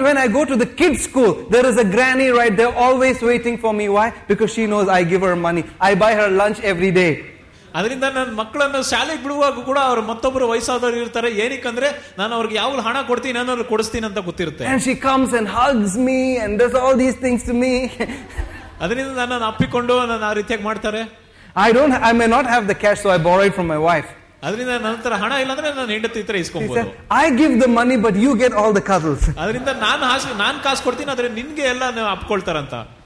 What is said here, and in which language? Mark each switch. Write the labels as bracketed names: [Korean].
[English] when I go to the kids' school, there is a granny right there always waiting for me. Why? Because she knows I give her money. I buy her lunch every day. [Kannada] ಅದರಿಂದ ನನ್ನ ಮಕ್ಕಳನ್ನು ಶಾಲೆಗೆ ಬಿಡುವಾಗ ಕೂಡ ಅವರು ಮತ್ತೊಬ್ಬರು ವಯಸ್ಸಾದವರು ಇರ್ತಾರೆ. ಏನಕ್ಕಂದ್ರೆ ನಾನು ಅವ್ರಿಗೆ ಯಾವ ಹಣ ಕೊಡ್ತೀನಿ ಅನ್ನೋದು ಕೊಡಿಸ್ತೀನಿ ಅಂತ ಗೊತ್ತಿರುತ್ತೆ. [English] And she comes and hugs me and does all these things to me. [Kannada] ಅದರಿಂದ ನನ್ನನ್ನು ಅಪ್ಪಿಕೊಂಡು ನಾನು ಆ ರೀತಿಯಾಗಿ ಮಾಡ್ತಾರೆ. [English] I may not have the cash, so I borrow it from my wife. [Kannada] ಅದರಿಂದ ನನ್ನ ಹತ್ರ ಹಣ ಇಲ್ಲ ಅಂದ್ರೆ ನಾನು ಹೆಂಡತಿ ಹತ್ರ ಇಸ್ಕೊಂಡು. [English] I give the money, but you get all the cuddles. [Kannada] ಅದರಿಂದ ನಾನು ಕಾಸು ಕೊಡ್ತೀನಿ, ಆದ್ರೆ ನಿನ್ಗೆ ಎಲ್ಲ ಅಪ್ಕೊಳ್ತಾರಂತ.